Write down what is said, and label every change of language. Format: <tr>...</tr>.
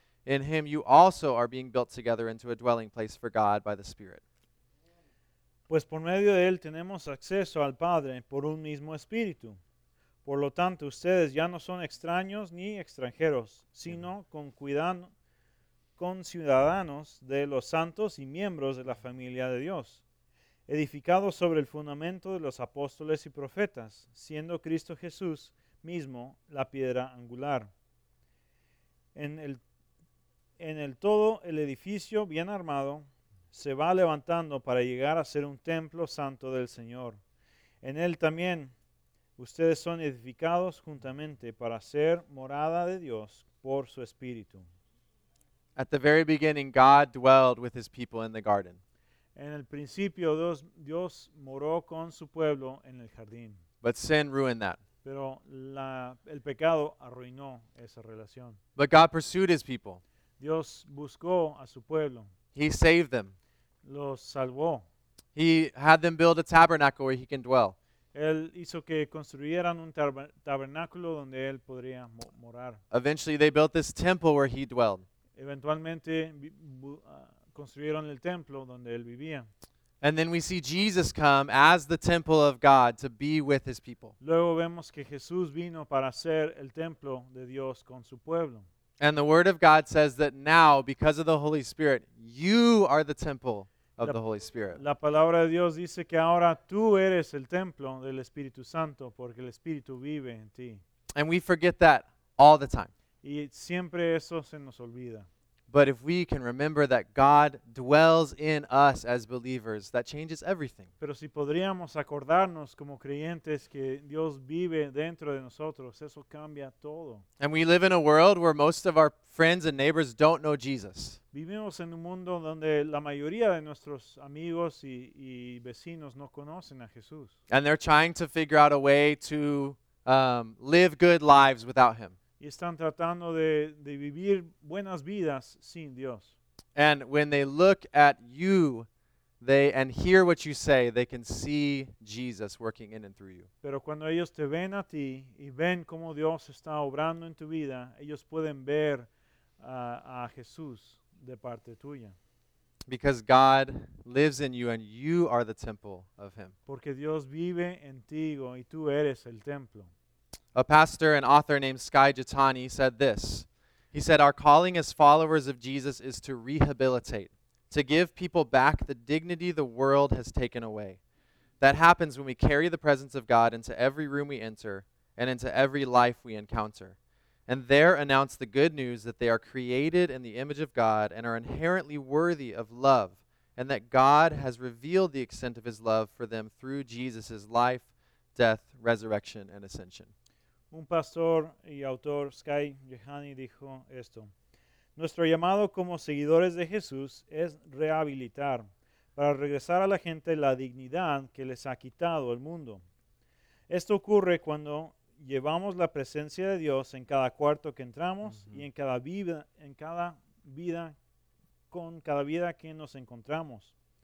<en>In him you also are being built together into a dwelling place for God by the Spirit.</en> <es>Pues por medio de él tenemos acceso al Padre por un mismo espíritu. Por lo tanto, ustedes ya no son extraños ni extranjeros, sino con ciudadanos de los santos y miembros de la familia de Dios, edificado sobre el fundamento de los apóstoles y profetas, siendo Cristo Jesús mismo la piedra angular. En el todo, el edificio bien armado se va levantando para llegar a ser un templo santo del Señor. En él también ustedes son edificados juntamente para ser morada de Dios por su Espíritu.</es> <en>At the very beginning, God dwelled with his people in the garden.</en> <es>En el principio, Dios moró con su pueblo en el jardín.</es> <en>But sin ruined that.</en> <es>Pero el pecado arruinó esa relación.</es> <en>But God pursued his people.</en> <es>Dios buscó a su pueblo.</es> <en>He saved them.</en> <es>Los salvó.</es> <en>He had them build a tabernacle where he can dwell.</en> <es>Él hizo que construyeran un tabernáculo donde él podría morar.</es> <en>Eventually, they built this temple where he dwelled.</en> <es>Eventualmente construyeron el templo donde él vivía.</es> <en>And then we see Jesus come as the temple of God to be with his people.</en> <es>Luego vemos que Jesús vino para ser el templo de Dios con su pueblo.</es> <en>And the Word of God says that now, because of the Holy Spirit, you are the temple of the Holy Spirit.</en> <es>La palabra de Dios dice que ahora tú eres el templo del Espíritu Santo porque el Espíritu vive en ti.</es> <en>And we forget that all the time.</en> <es>Y siempre eso se nos olvida.</es> <en>But if we can remember that God dwells in us as believers, that changes everything.</en> <es>Pero si podríamos acordarnos como creyentes que Dios vive dentro de nosotros, eso cambia todo.</es> <en>And we live in a world where most of our friends and neighbors don't know Jesus.</en> <es>Vivimos en un mundo donde la mayoría de nuestros amigos y vecinos no conocen a Jesús.</es> <en>And they're trying to figure out a way to live good lives without him.</en> <es>Y están tratando de vivir buenas vidas sin Dios.</es> <en>And when they look at you, and hear what you say, they can see Jesus working in and through you.</en> <es>Pero cuando ellos te ven a ti y ven cómo Dios está obrando en tu vida, ellos pueden ver a Jesús de parte tuya.</es> <en>Because God lives in you and you are the temple of him.</en> <es>Porque Dios vive en ti y tú eres el templo.</es> <en>A pastor and author named Sky Jatani said this. He said, "Our calling as followers of Jesus is to rehabilitate, to give people back the dignity the world has taken away. That happens when we carry the presence of God into every room we enter and into every life we encounter, and there announce the good news that they are created in the image of God and are inherently worthy of love, and that God has revealed the extent of his love for them through Jesus' life, death, resurrection, and ascension."</en> <es>Un pastor y autor, Sky Jehani, dijo esto: "Nuestro llamado como seguidores de Jesús es rehabilitar, para regresar a la gente la dignidad que les ha quitado el mundo. Esto ocurre cuando llevamos la presencia de Dios en cada cuarto que entramos y en cada vida que nos encontramos.</es>